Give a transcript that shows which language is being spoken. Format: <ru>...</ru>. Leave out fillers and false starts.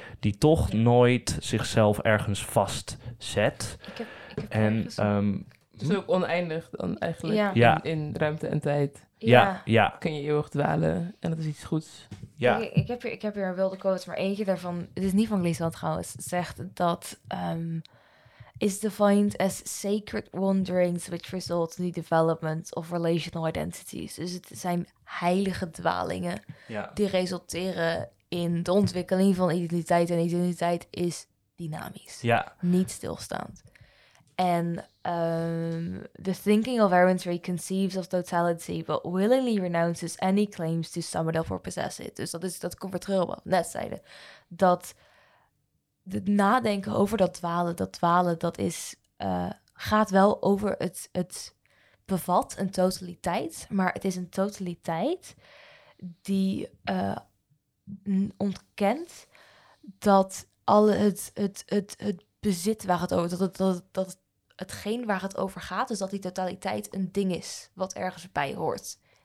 <nl>Die toch nooit zichzelf ergens vastzet. Het is ook oneindig dan eigenlijk. Ja. In ruimte en tijd. Ja. Kun je eeuwig dwalen en dat is iets goeds. Ja. Ik heb hier een wilde quote, maar eentje daarvan, het is niet van Glissant trouwens, zegt dat...</nl> <en>is defined as sacred wanderings which result in the development of relational identities.</en> <nl>Dus het zijn heilige dwalingen die resulteren in de ontwikkeling van identiteit. En identiteit is dynamisch, niet stilstaand.</nl> <en>and the thinking of errantry conceives of totality, but willingly renounces any claims to sum it up or possess it.</en> <nl>Dus dat is dat comfortreel wat we net zeiden. Dat het nadenken over dat dwalen, dat is gaat wel over het bevat een totaliteit, maar het is een totaliteit die ontkent dat alle het bezit waar het over, dat hetgeen waar het over gaat, dus dat die totaliteit een ding is wat ergens bij hoort.</nl>